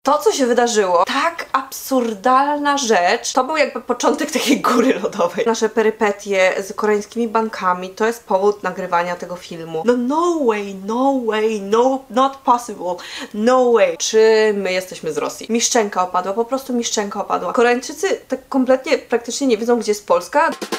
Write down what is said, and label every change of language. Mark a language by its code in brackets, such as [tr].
[pl] To, co się wydarzyło, tak absurdalna rzecz, to był jakby początek takiej góry lodowej. Nasze perypetie z koreańskimi bankami, to jest powód nagrywania tego filmu. [en] No no way, no way, no, not possible, no way. [pl] Czy my jesteśmy z Rosji? Mi szczęka opadła, po prostu mi szczęka opadła. Koreańczycy tak kompletnie, praktycznie nie wiedzą, gdzie jest Polska.